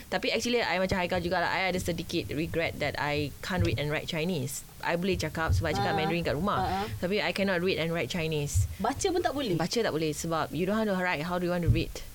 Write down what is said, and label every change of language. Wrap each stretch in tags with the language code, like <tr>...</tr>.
<ms>Tapi actually I macam Haikal jugalah, I ada sedikit</ms> <en>regret that I can't read and write Chinese.</en> <ms>I boleh cakap sebab cakap Mandarin kat rumah.</ms> <en>Tapi I cannot read and write Chinese.</en> <ms>Baca pun tak boleh? Baca tak boleh, sebab</ms> <en>you don't know how to write, how do you want to read?</en>